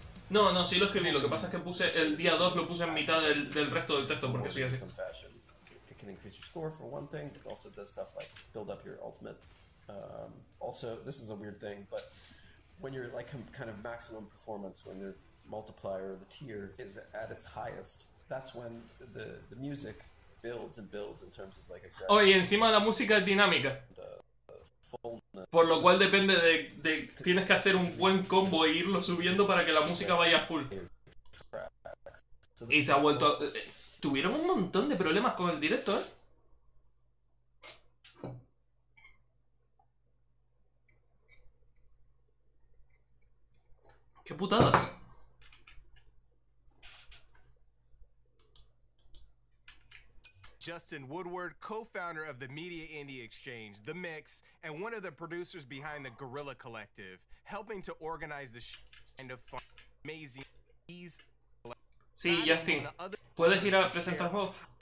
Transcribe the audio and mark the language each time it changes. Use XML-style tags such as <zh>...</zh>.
<es>No, no, sí lo escribí, lo que pasa es que puse el día 2 lo puse en mitad del resto del texto porque soy así.</es> <en>It can increase your score for one thing, it also does stuff like build up your ultimate. Also, this is a weird thing, but when you're like kind of maximum performance, when your multiplier or the tier is at its highest, that's when the music builds and builds in terms of like a graph.</en> <es>Oh, y encima la música es dinámica. Por lo cual depende de tienes que hacer un buen combo e irlo subiendo para que la música vaya full. Y se ha vuelto a... Tuvieron un montón de problemas con el directo, ¡Qué putadas!</es> <en>Justin Woodward, co-founder of the Media Indie Exchange, The Mix, and one of the producers behind the Guerrilla Collective, helping to organize the and to find amazing ease.</en> <es>Sí, Justin, puedes ir a presentar juego.</es>